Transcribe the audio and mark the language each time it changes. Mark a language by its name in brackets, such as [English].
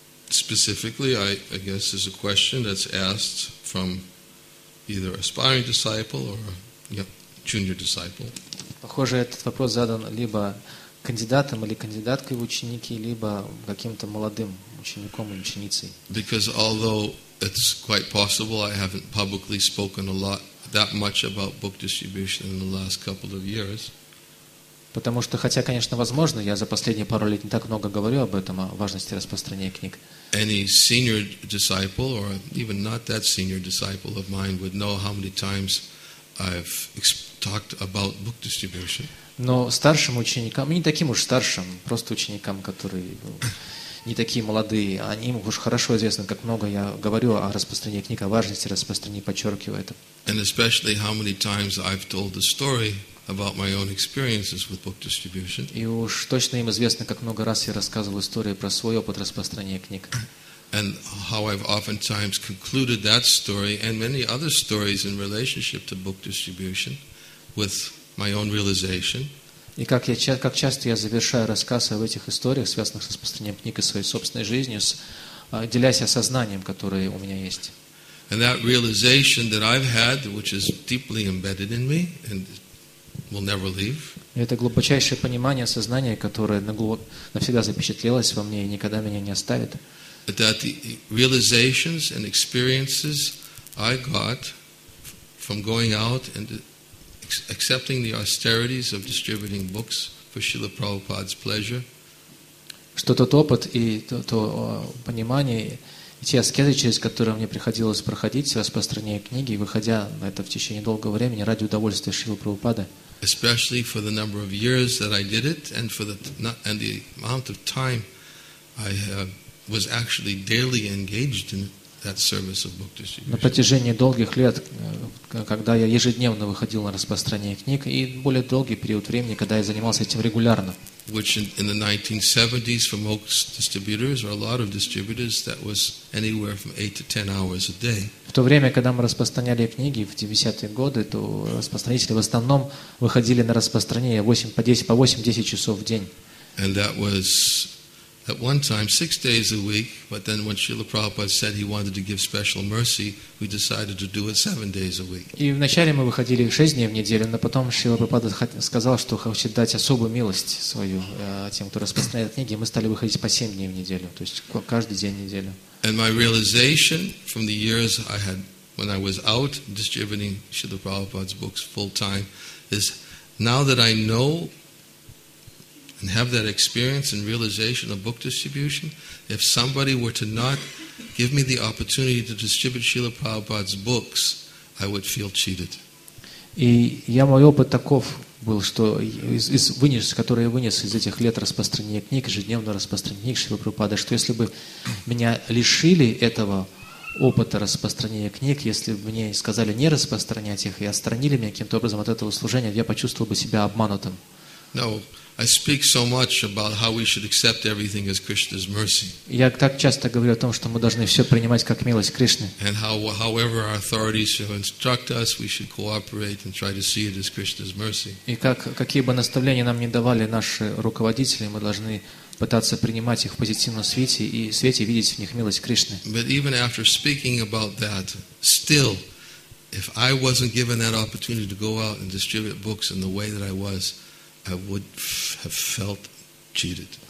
[English] Specifically, I guess, is a question that's asked from either aspiring disciple or junior disciple. [Russian] Похоже, этот вопрос задан либо кандидатом или кандидаткой в ученики, либо каким-то молодым учеником или ученицей. [English] Because although it's quite possible, I haven't publicly spoken a lot that much about book distribution in the last couple of years. [Russian] Потому что, хотя, конечно, возможно, я за последние пару лет не так много говорю об этом, о важности распространения книг. [English] Any senior disciple, or even not that senior disciple of mine, would know how many times I've talked about book distribution. [Russian] Но старшим ученикам, не таким уж старшим, просто ученикам, которые не такие молодые, им уж хорошо известно, как много я говорю о распространении книг, о важности распространения, подчеркиваю это. [English] And especially how many times I've told the story about my own experiences with book distribution. [Russian] И уж точно им известно, как много раз я рассказывал истории про свой опыт распространения книг. [English] And how I've oftentimes concluded that story and many other stories in relationship to book distribution with my own realization. [Russian] И как часто я завершаю рассказ об этих историях, связанных с распространением книг и своей собственной жизнью, делясь осознанием, которое у меня есть. [English] And that realization that I've had, which is deeply embedded in me, and will never leave. [Russian] Это глубочайшее понимание сознания, которое навсегда запечатлелось во мне и никогда меня не оставит. [English] That the realizations and experiences I got from going out and accepting the austerities of distributing books for Srila Prabhupada's pleasure. [Russian] Что тот опыт и то понимание и те аскезы, через которые мне приходилось проходить, распространяя книги, выходя на это в течение долгого времени ради удовольствия Шрилы Прабхупады. [English] Especially for the number of years that I did it, and for the amount of time I was actually daily engaged in that service of book distribution. [Russian] На протяжении долгих лет, когда я ежедневно выходил на распространение книг, и более долгий период времени, когда я занимался этим регулярно. [English] Which in the 1970s, for most distributors or a lot of distributors, that was anywhere from 8 to 10 hours a day. [Russian] В то время, когда мы распространяли книги в 90-е годы, то распространители в основном выходили на распространение 8-10 часов в день. [English] And that was at one time 6 days a week. But then when Srila Prabhupada said he wanted to give special mercy, we decided to do it 7 days a week. [Russian] И вначале мы выходили 6 дней в неделю, но потом Шрила Прабхупада сказал, что хочет дать особую милость свою тем, кто распространяет книги, и мы стали выходить по 7 дней в неделю, то есть каждый день неделю. [English] And my realization from the years I had when I was out distributing Srila Prabhupada's books full time is now that I know and have that experience and realization of book distribution, if somebody were to not give me the opportunity to distribute Srila Prabhupada's books, I would feel cheated. [Russian] И я мой опыт таков был, что который я вынес из этих лет распространения книг, ежедневного распространения книг Шрилы Прабхупады, что если бы меня лишили этого опыта распространения книг, если бы мне сказали не распространять их и отстранили меня каким-то образом от этого служения, я почувствовал бы себя обманутым. [English] No, I speak so much about how we should accept everything as Krishna's mercy. [Russian] Я так часто говорю о том, что мы должны все принимать как милость Кришны. [English] And however our authorities should instruct us, we should cooperate and try to see it as Krishna's mercy. [Russian] И какие бы наставления нам ни давали наши руководители, мы должны пытаться принимать их в позитивном свете и свете видеть в них милость Кришны. [English] But even after speaking about that, still, if I wasn't given that opportunity to go out and distribute books in the way that I was, I would have felt cheated.